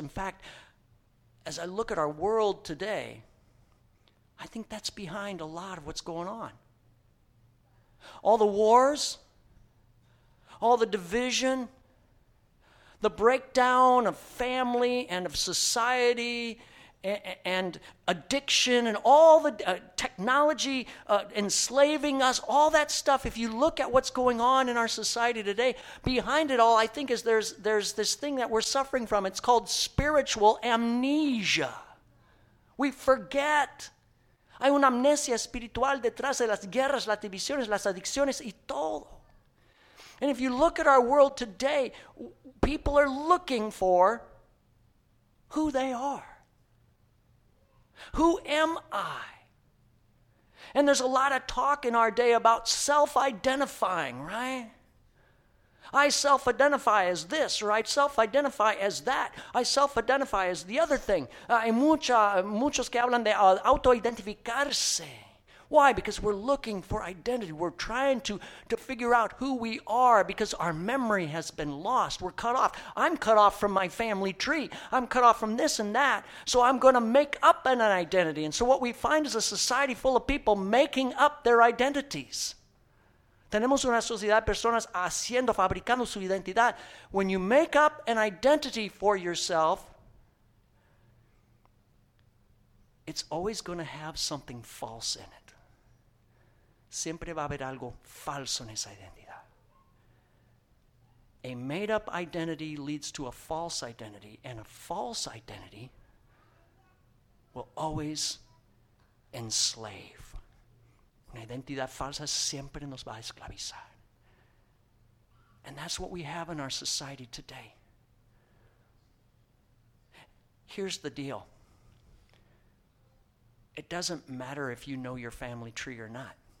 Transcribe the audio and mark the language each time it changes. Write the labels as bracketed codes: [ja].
[en] In fact, as I look at our world today, I think that's behind a lot of what's going on. All the wars, all the division, the breakdown of family and of society, and addiction and all the technology enslaving us, all that stuff. If you look at what's going on in our society today, behind it all, I think is there's this thing that we're suffering from. It's called spiritual amnesia. We forget. [es] Hay una amnesia espiritual detrás de las guerras, las divisiones, las adicciones y todo. [en] And if you look at our world today, people are looking for who they are. Who am I? And there's a lot of talk in our day about self-identifying, right? I self-identify as this, or I self-identify as that. I self-identify as the other thing. [es] Hay muchos que hablan de autoidentificarse. [en] Why? Because we're looking for identity. We're trying to figure out who we are because our memory has been lost. We're cut off. I'm cut off from my family tree. I'm cut off from this and that. So I'm going to make up an identity. And so what we find is a society full of people making up their identities. [es] Tenemos una sociedad de personas haciendo, fabricando su identidad. [en] When you make up an identity for yourself, it's always going to have something false in it. [es] Siempre va a haber algo falso en esa identidad. [en] A made-up identity leads to a false identity, and a false identity will always enslave. [es] Una identidad falsa siempre nos va a esclavizar. [en] And that's what we have in our society today. Here's the deal. It doesn't matter if you know your family tree or not.